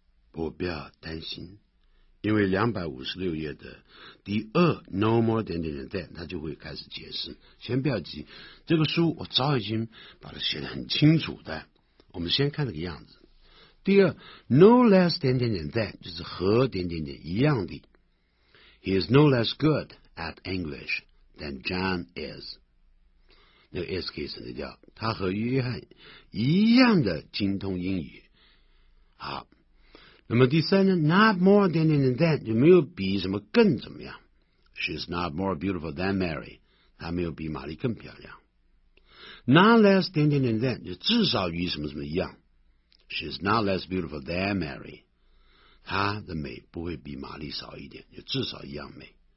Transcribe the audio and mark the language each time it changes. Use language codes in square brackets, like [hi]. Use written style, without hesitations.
[zh] 不过不要担心，因为256页的第二 no more 点点点 than 他就会开始解释。先不要急，这个书我早已经把它写得很清楚的，我们先看这个样子。第二 no less 点点点 than 就是和点点点一样的。 [en] He is no less good at English than John is， [zh] 那个 is 可以省略掉，他和约翰一样的精通英语。好，那么第三呢 ？ [en] Not more than than than [zh] 就没有比什么更怎么样 ？ [en] She's not more beautiful than Mary， [zh] 她没有比玛丽更漂亮。 [en] Not less than than than than [zh] 就至少与什么什么一样 ？ [en] She's not less beautiful than Mary， [zh] 她的美不会比玛丽少一点，就至少一样美。